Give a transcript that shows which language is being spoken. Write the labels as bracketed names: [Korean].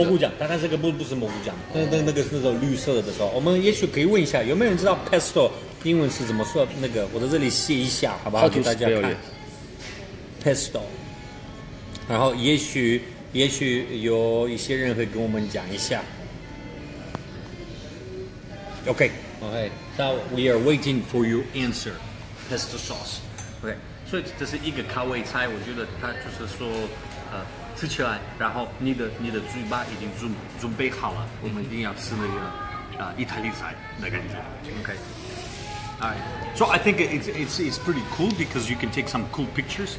[Chinese] 蘑菇酱，但这个不是蘑菇酱，那个是那种绿色的时候。我们也许可以问一下，有没有人知道 pesto 英文是怎么说？那个我在这里写一下，好不好？给大家看 pesto。然后也许有一些人会跟我们讲一下。 OK。 [English] Okay, so we are waiting for your answer. Pesto sauce. [Chinese] Okay, 所以这是一个开胃菜，我觉得它就是说，吃起来，然后你的嘴巴已经准备好了，我们一定要吃那个意大利菜的感觉。 [English] Okay. All right. So I think it's pretty cool because you can take some cool pictures.